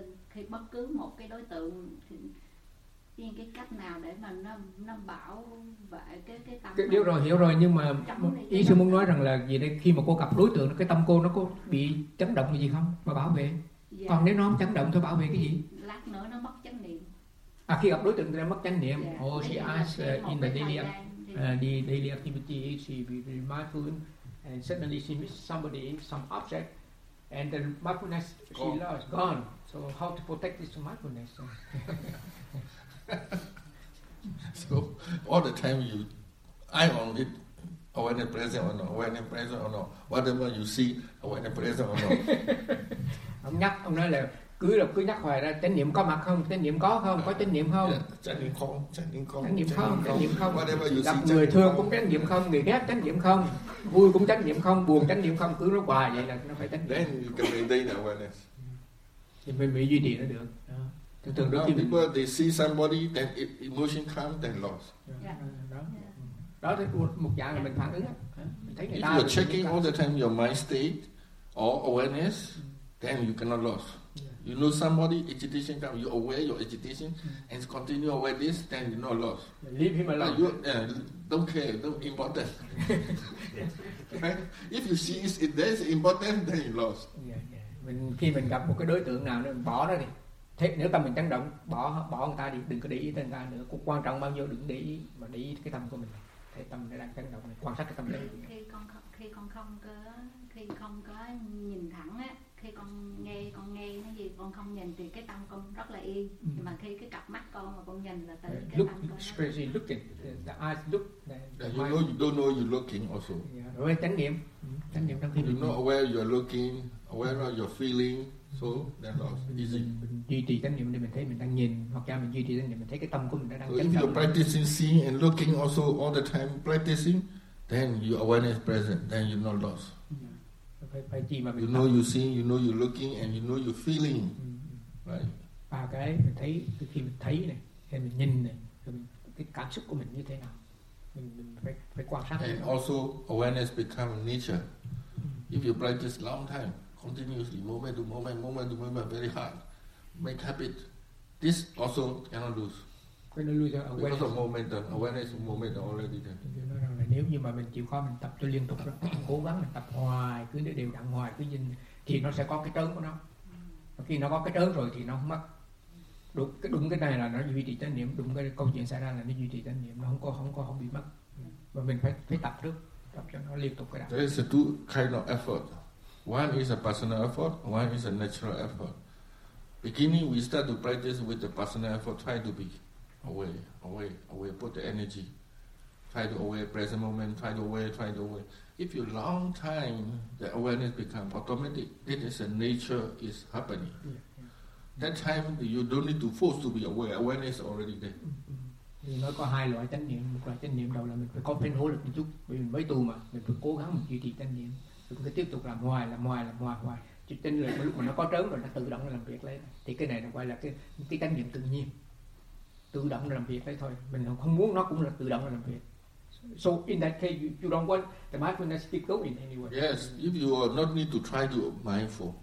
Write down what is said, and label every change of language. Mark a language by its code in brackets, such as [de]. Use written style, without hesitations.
[vi] Khi bất cứ một cái đối tượng thì cái cách nào để mà nó bảo vệ cái tâm. Hiểu rồi, hiểu rồi, nhưng mà ý sư muốn nói rằng là gì đây, khi mà cô gặp đối tượng, cái tâm cô nó có bị chấn động gì không mà bảo vệ? Dạ. Còn nếu nó không chấn động thì bảo vệ cái gì? Lát nữa nó mất chánh niệm. À, khi gặp đối tượng thì nó mất chánh niệm. Dạ. [en] Oh, she asked in the daily activity, she be very mindful and suddenly she meets somebody, some object, and the mindfulness she lost, gone. So how to protect this mindfulness? So all the time you eye on it, awareness present or not, awareness present or not, whatever you see, awareness present or not. [vi] Ông nhắc, ông nói là cứ nhắc hoài ra, chánh niệm có mặt không, chánh niệm có không, có chánh niệm không, chánh niệm không, chánh niệm không, chánh niệm không, chánh niệm không, [en] whatever you [vi] gặp người thương cũng chánh niệm không, người ghét chánh niệm không, vui cũng chánh niệm không, buồn chánh niệm không, cứ nó hoài vậy là nó phải chánh niệm. [en] Then you can maintain awareness. [vi] Thì mình duy trì nó được. [en] People they see somebody, then emotion comes, then loss. Yeah. Yeah. [vi] Đó là một dạng là mình phản ứng. Mình thấy [en] if you're checking all the time your mind state or awareness, then you cannot lose. Yeah. You know somebody agitation comes, you aware your agitation, and continue awareness, then you not lost. Yeah, leave him alone. But you don't care, don't important. If you see it, that's important, then you lost. Yeah, yeah. [vi] Mình khi mình gặp một cái đối tượng nào, mình bỏ nó đi. Thế nếu tâm mình chấn động, bỏ người ta đi, đừng có để ý người ta nữa. Cũng quan trọng bao nhiêu đừng để ý, mà để ý cái tâm của mình. Thế tâm nó đang chấn động, quan sát cái tâm đấy. Khi con không có nhìn thẳng á, khi con nghe nó gì, con không nhìn thì cái tâm con rất là yên. Mà khi cái cặp mắt con mà con nhìn là từ cái tâm con. [en] Look crazy, looking. The eyes look. You know, you don't know you're looking also. [vi] Yeah. Rồi chánh niệm. Chánh niệm trong khi [en] you're not aware you're looking, aware of your feeling. So that loss is easy. [vi] Duy trì chánh niệm để mình thấy mình đang nhìn, hoặc là mình duy trì chánh niệm mình thấy cái tâm của mình đang chánh niệm. [en] So if you're practicing seeing and looking also all the time practicing, then your awareness present, then you're not lost. You know you're seeing, you know you're looking, and you know you're feeling, right? [vi] Và cái mình thấy, khi mình thấy này, khi mình nhìn này, cái cảm xúc của mình như thế nào, mình phải quan sát. [en] And also awareness become nature. If you practice long time, continuously, moment to moment, moment to moment, very hard. Make habit. This also cannot lose. Because of momentum, awareness of momentum already there. [vi] Nếu như mà mình chịu khó mình tập cho liên tục, cố gắng mình tập hoài, cứ để đều đặn hoài, cứ nhìn thì nó sẽ có cái trớn của nó. Khi nó có cái trớn rồi thì nó không mất. Đúng cái này là nó duy trì chánh niệm, đúng cái câu chuyện xảy ra là nó duy trì chánh niệm, nó không bị mất. Và mình phải tập trước, tập cho nó liên tục cái đó. [en] There is two kind of effort. One is a personal effort, one is a natural effort. Beginning, we start to practice with the personal effort, try to be away, put the energy. Try to aware present moment, try to aware. If you long time, the awareness becomes automatic. It is a nature is happening. Yeah, yeah. That time, you don't need to force to be aware. Awareness already there. Mm-hmm. [vi] Nói có hai loại chánh niệm. Một loại chánh niệm đầu là mình phải có phải nỗ lực một chút. Vì mình mới tu mà. Mình phải cố gắng duy trì chánh niệm. Mình phải tiếp tục làm hoài. Chứ chánh niệm lúc mà nó có trớn rồi, nó tự động làm việc lên. Thì cái này nó gọi là cái chánh niệm tự nhiên. Tự động làm việc đấy thôi. Mình không muốn nó cũng là tự động làm việc. [en] So in that case, you don't want the mindfulness to keep going anyway. Yes, if you are not need to try to mindful.